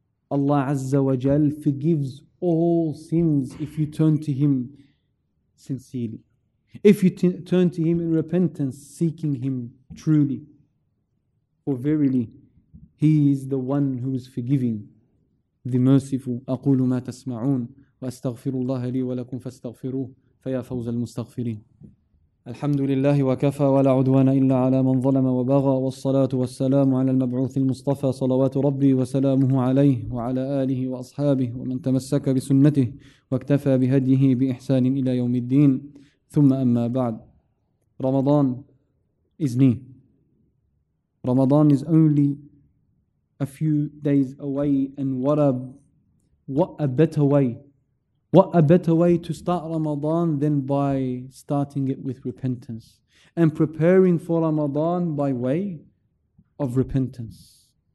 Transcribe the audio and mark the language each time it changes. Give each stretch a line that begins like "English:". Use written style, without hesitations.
English: Allah Azza wa Jal forgives all sins if you turn to Him sincerely. If you turn to Him in repentance, seeking Him truly. For verily, He is the one who is forgiving, the merciful.
Arabic: أَقُولُ مَا تَسْمَعُونَ وَأَسْتَغْفِرُ اللَّهَ لِي وَلَكُمْ فَاسْتَغْفِرُوهُ فَيَا فَوْزَ الْمُسْتَغْفِرِينَ الحمد لله وكفى ولا عدوان إلا على من ظلم وبغى والصلاة والسلام على المبعوث المصطفى صلوات ربي وسلامه عليه وعلى آله وأصحابه ومن تمسك بسنته واكتفى بهديه بإحسان إلى يوم الدين ثم أما بعد رمضان
English: is near. Ramadan is only a few days away, and what a better way to start Ramadan than by starting it with repentance and preparing for Ramadan by way of repentance.